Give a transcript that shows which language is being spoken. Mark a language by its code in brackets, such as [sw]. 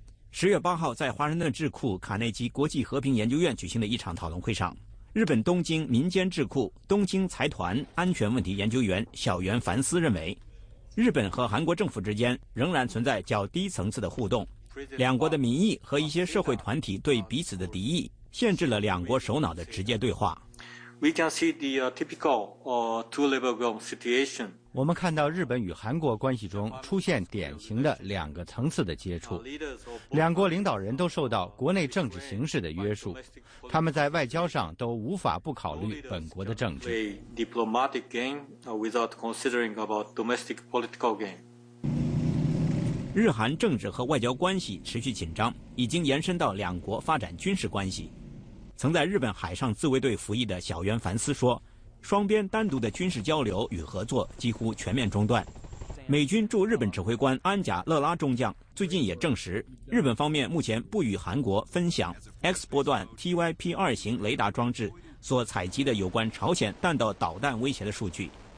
[zh] 十月八号在华盛顿智库卡内基国际和平研究院举行的一场讨论会上，日本东京民间智库东京财团安全问题研究员小原凡司认为，日本和韩国政府之间仍然存在较低层次的互动，两国的民意和一些社会团体对彼此的敌意限制了两国首脑的直接对话。 [en] We can see the typical two-level government situation. [zh] 我们看到日本与韩国关系中出现典型的两个层次的接触。两国领导人都受到国内政治形势的约束，他们在外交上都无法不考虑本国的政治。 [en] Diplomatic gain without considering about domestic political gain. [zh] 日韩政治和外交关系持续紧张，已经延伸到两国发展军事关系。曾在日本海上自卫队服役的小渊凡司说，双边单独的军事交流与合作几乎全面中断。美军驻日本指挥官安贾勒拉中将最近也证实，日本方面目前不与韩国分享 X 波段 TYP 二型雷达装置所采集的有关朝鲜弹道导弹威胁的数据。